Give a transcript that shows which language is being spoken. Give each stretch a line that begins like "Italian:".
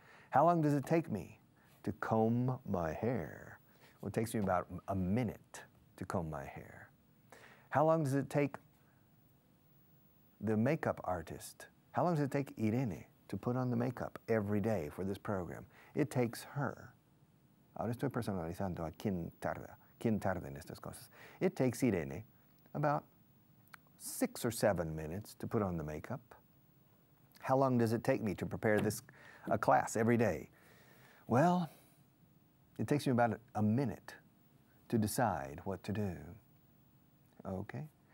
English: How long does it take me to comb my hair? Well, it takes me about a minute to comb my hair. How long does it take the makeup artist? How long does it take Irene to put on the makeup every day for this program? It takes her.
Spanish: Ahora estoy personalizando a quien tarda en estas cosas.
English: It takes Irene about 6 or 7 minutes to put on the makeup. How long does it take me to prepare this a class every day? Well, it takes me about a minute to decide what to do. Okay.